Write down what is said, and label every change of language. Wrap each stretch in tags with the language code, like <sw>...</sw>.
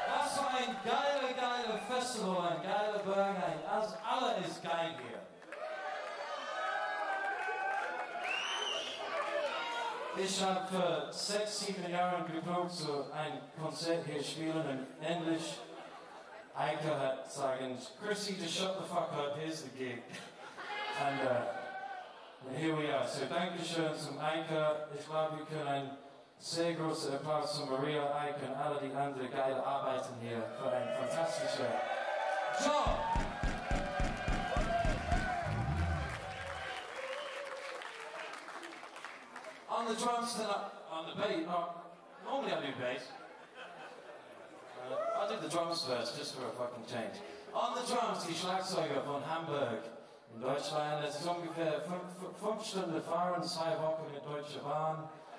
<nl>zo van Kuilenburg en als alle is kijk hier.</nl> <de>Ich habe vor 6, 7 Jahren geprobt, so ein Konzert hier spielen in Englisch. Eike hat sagen,</de> <en>Chrissy, just shut the fuck up, here's the gig. And here we are. So,</en> <de>danke schön zum Eike. Ich glaube, wir können ein sehr großer Applaus zu Maria, Eike und alle die anderen geile Arbeiten hier für ein fantastisches Job.</de> <en>On the drums tonight, on the bass, normally I do bass. I did the drums first, just for a fucking change. On the drums,</en> <de>die Schlagzeuger von Hamburg in Deutschland. Es ist ungefähr 5 Stunden fahren, 2 Wochen mit Deutsche Bahn.</de>